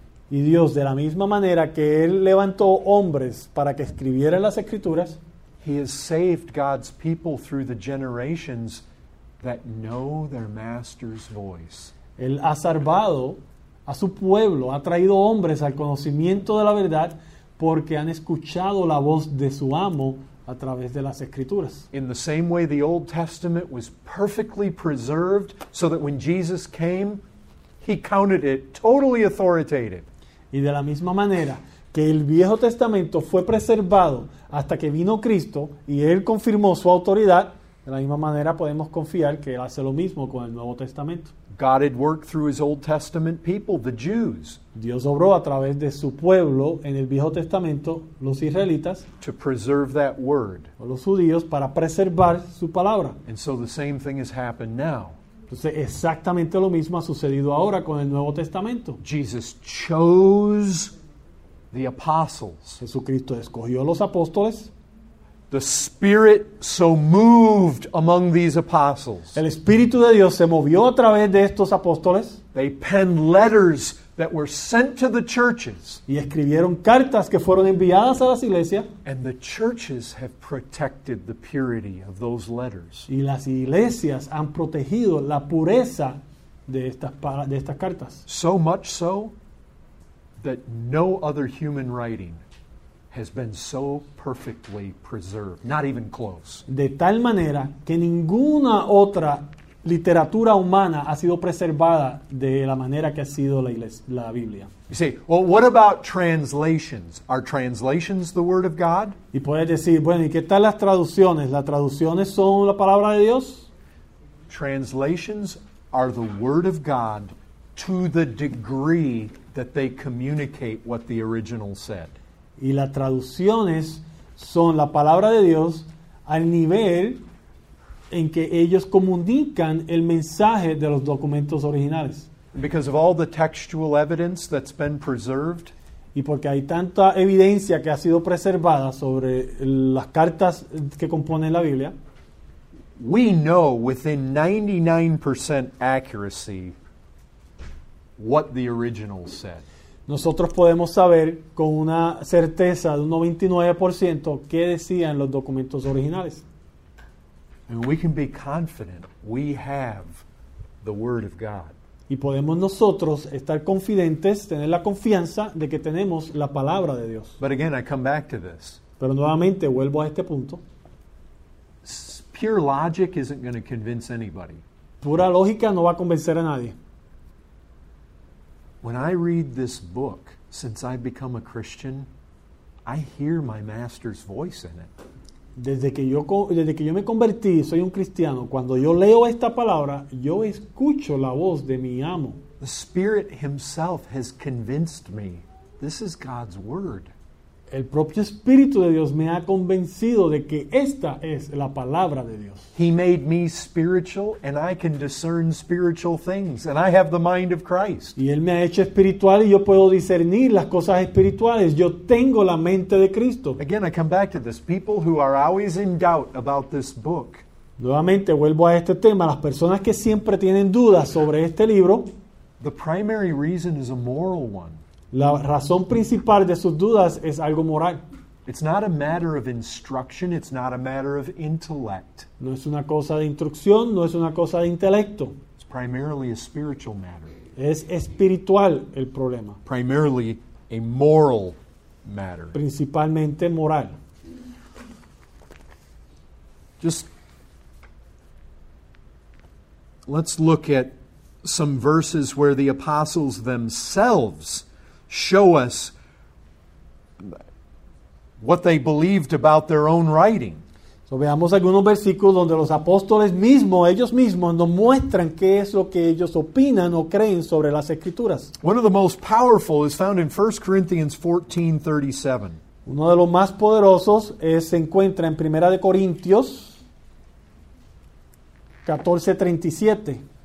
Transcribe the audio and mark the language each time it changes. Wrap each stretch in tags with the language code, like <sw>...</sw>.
<es>Y Dios, de la misma manera que él levantó hombres para que escribieran las escrituras,</es> <en>he has saved God's people through the generations that know their master's voice.</en> <es>Él ha salvado a su pueblo, ha traído hombres al conocimiento de la verdad porque han escuchado la voz de su amo a través de las escrituras.</es> <en>In the same way the Old Testament was perfectly preserved so that when Jesus came, he counted it totally authoritative.</en> <es>Y de la misma manera que el Viejo Testamento fue preservado hasta que vino Cristo y él confirmó su autoridad, de la misma manera podemos confiar que él hace lo mismo con el Nuevo Testamento.</es> <en>God had worked through his Old Testament people, the Jews.</en> <es>Dios obró a través de su pueblo en el Viejo Testamento, los israelitas,</es> <en>to preserve that word.</en> <es>O los judíos, para preservar su palabra.</es> <en>And so the same thing has happened now.</en> <es>Entonces, exactamente lo mismo ha sucedido ahora con el Nuevo Testamento.</es> <en>Jesus chose the apostles.</en> <es>Jesucristo escogió los apóstoles.</es> <en>The Spirit so moved among these apostles.</en> <es>El Espíritu de Dios se movió a través de estos apóstoles.</es> <en>They penned letters that were sent to the churches.</en> <es>Y escribieron cartas que fueron enviadas a las iglesias.</es> <en>And the churches have protected the purity of those letters.</en> <es>Y las iglesias han protegido la pureza de estas cartas.</es> <en>So much so that no other human writing has been so perfectly preserved, not even close.</en> <es>De tal manera que ninguna otra literatura humana ha sido preservada de la manera que ha sido la Biblia.</es> <en>You say, well, what about translations? Are translations the word of God?</en> <es>Y puedes decir, bueno, ¿y qué tal las traducciones? ¿Las traducciones son la palabra de Dios?</es> <en>Translations are the word of God to the degree that they communicate what the original said.</en> <es>Y las traducciones son la palabra de Dios al nivel en que ellos comunican el mensaje de los documentos originales.</es> <en>Because of all the textual evidence that's been preserved,</en> <es>y porque hay tanta evidencia que ha sido preservada sobre las cartas que componen la Biblia,</es> <en>we know within 99% accuracy what the original said.</en> <es>Nosotros podemos saber con una certeza de un 99% qué decían los documentos originales.</es> <en>And we can be confident we have the word of God.</en> <es>Y podemos nosotros estar confidentes, tener la confianza de que tenemos la palabra de Dios.</es> <en>But again, I come back to this.</en> <es>Pero nuevamente vuelvo a este punto.</es> <en>Pure logic isn't going to convince anybody.</en> <es>Pura lógica no va a convencer a nadie.</es> <en>When I read this book, since I've become a Christian, I hear my master's voice in it.</en> <es>Desde que yo me convertí, soy un cristiano. Cuando yo leo esta palabra, yo escucho la voz de mi amo.</es> <en>The Spirit himself has convinced me. This is God's word.</en> <es>El propio Espíritu de Dios me ha convencido de que esta es la palabra de Dios.</es> <en>He made me spiritual and I can discern spiritual things and I have the mind of Christ.</en> <es>Y Él me ha hecho espiritual y yo puedo discernir las cosas espirituales. Yo tengo la mente de Cristo.</es> <en>Again, I come back to this. People who are always in doubt about this book.</en> <es>Nuevamente vuelvo a este tema. Las personas que siempre tienen dudas sobre este libro.</es> <en>The primary reason is a moral one.</en> <es>La razón principal de sus dudas es algo moral.</es> <en>It's not a matter of instruction, it's not a matter of intellect.</en> <es>No es una cosa de instrucción, no es una cosa de intelecto.</es> <en>It's primarily a spiritual matter.</en> <es>Es espiritual el problema.</es> <en>Primarily a moral matter.</en> <es>Principalmente moral.</es> <en>Just let's look at some verses where the apostles themselves show us what they believed about their own writing.</en> <es>So veamos algunos versículos donde los apóstoles mismos, ellos mismos, nos muestran qué es lo que ellos opinan o creen sobre las Escrituras.</es> <en>One of the most powerful is found in 1 Corinthians 14:37.</en> <es>Uno de los más poderosos se encuentra en 1 Corintios 14:37.</es>